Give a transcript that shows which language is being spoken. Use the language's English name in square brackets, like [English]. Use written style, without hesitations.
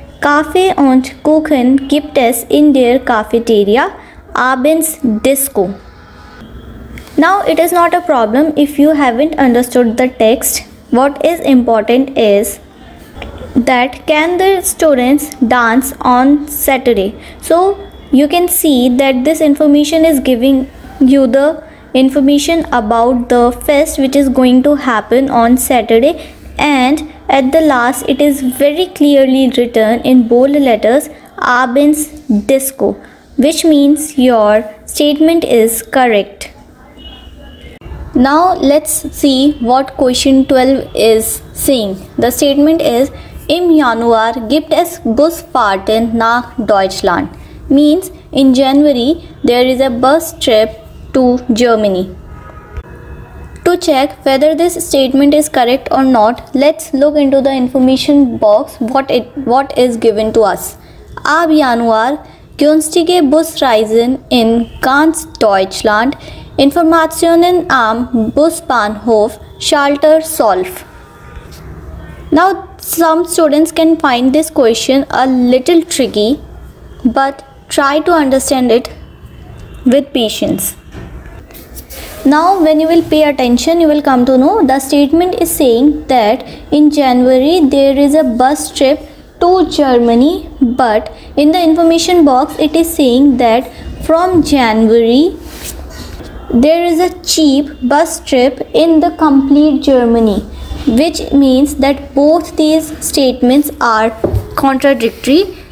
[German] Kaffee und Kuchen gibt es in der Cafeteria. Abends Disco. [English] Now it is not a problem if you haven't understood the text. What is important is that can the students dance on Saturday? So you can see that this information is giving you the information about the fest which is going to happen on Saturday, and at the last it is very clearly written in bold letters [German] Abends Disco, [English] which means your statement is correct. Now let's see what question 12 is saying. The statement is [German] Im Januar gibt es Busfahrten nach Deutschland, [English] means in January there is a bus trip to Germany. To check whether this statement is correct or not, let's look into the information box what is given to us. [German] Ab Januar günstige Busreisen in ganz Deutschland, Informationen am Busbahnhof, Schalter Solf. [English] Now some students can find this question a little tricky, but try to understand it with patience. Now when you will pay attention, you will come to know the statement is saying that in January there is a bus trip to Germany, but in the information box it is saying that from January there is a cheap bus trip in the complete Germany, which means that both these statements are contradictory.